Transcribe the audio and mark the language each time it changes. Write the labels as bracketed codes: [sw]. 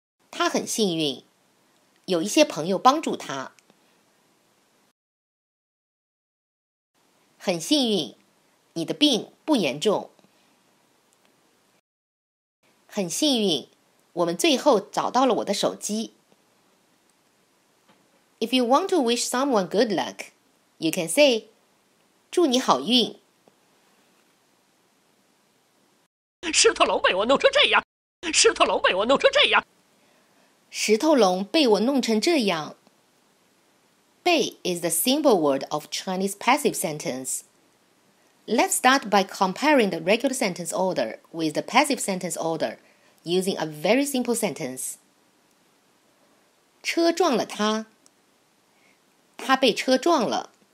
[zh] 他很幸运，有一些朋友帮助他。很幸运，你的病不严重。很幸运，我们最后找到了我的手机。 [en] If you want to wish someone good luck, you can say, [zh] 祝你好运。石头龙被我弄成这样，石头龙被我弄成这样。石头龙被我弄成这样。 [en] 被 is the simple word of Chinese passive sentence. Let's start by comparing the regular sentence order with the passive sentence order using a very simple sentence. [zh] 车撞了他。他被车撞了。